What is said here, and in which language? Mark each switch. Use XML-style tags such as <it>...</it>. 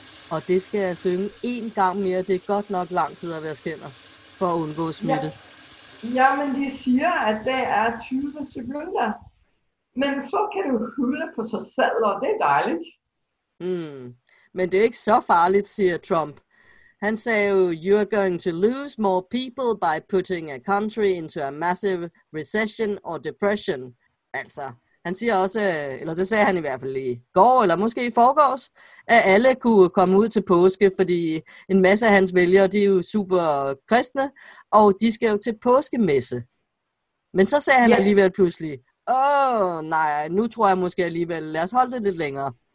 <da>Og det skal jeg synge én gang mere. Det er godt nok lang tid at vaske hænder for at undgå smitte. Ja. Jamen, de siger, at det er 20 sekunder. Men så kan du hylde på sig selv, og det er dejligt. Men det er ikke så farligt, siger Trump. Han sagde jo,</da> <en>you're going to lose more people by putting a country into a massive recession or depression.</en> <da>Altså, han siger også, eller det sagde han i hvert fald i går, eller måske i forgårs, at alle kunne komme ud til påske, fordi en masse af hans vælgere, de er jo super kristne, og de skal jo til påskemesse. Men så sagde han alligevel pludselig, nej, nu tror jeg måske alligevel, lad os holde det lidt længere.</da>